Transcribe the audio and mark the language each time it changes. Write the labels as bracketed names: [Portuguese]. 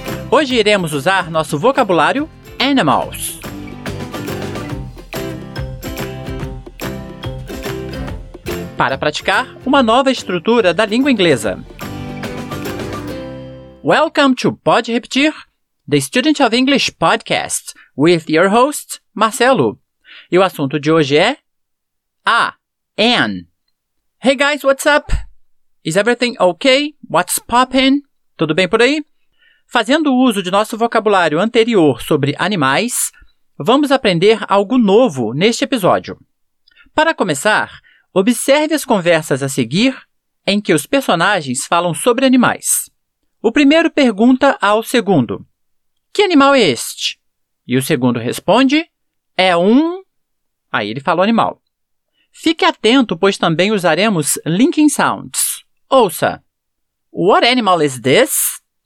[Portuguese] Hoje iremos usar nosso vocabulário animals. Para praticar uma nova estrutura da língua inglesa. [English] Welcome to Pode Repetir, the Student of English Podcast, with your host, Marcelo. [Portuguese] E o assunto de hoje é... An. [English] Hey guys, what's up? Is everything okay? What's poppin'? [Portuguese] Tudo bem por aí? Fazendo uso de nosso vocabulário anterior sobre animais, vamos aprender algo novo neste episódio. Para começar... Observe as conversas a seguir em que os personagens falam sobre animais. O primeiro pergunta ao segundo, que animal é este? E o segundo responde, é um... Aí ele fala o animal. Fique atento, pois também usaremos linking sounds. [English] Ouça, what animal is this?